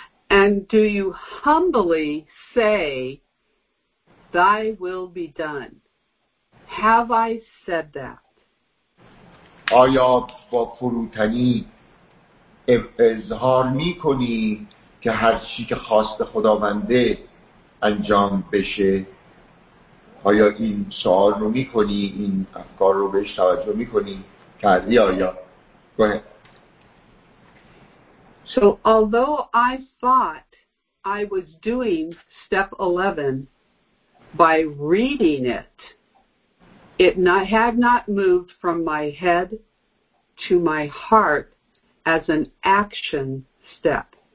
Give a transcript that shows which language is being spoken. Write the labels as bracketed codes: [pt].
[en] And do you humbly say, "Thy will be done"? Have I said that? [fa] آیا با فروتنی اظهار می‌کنی که هر چی که خواست خداونده انجام بشه؟ آیا این سوال رو می‌کنی، این افکار رو بهش توجه می‌کنی؟ کردی آیا؟ [en] Go ahead. So although I thought I was doing step 11 by reading it, it not, had not moved from my head to my heart as an action step.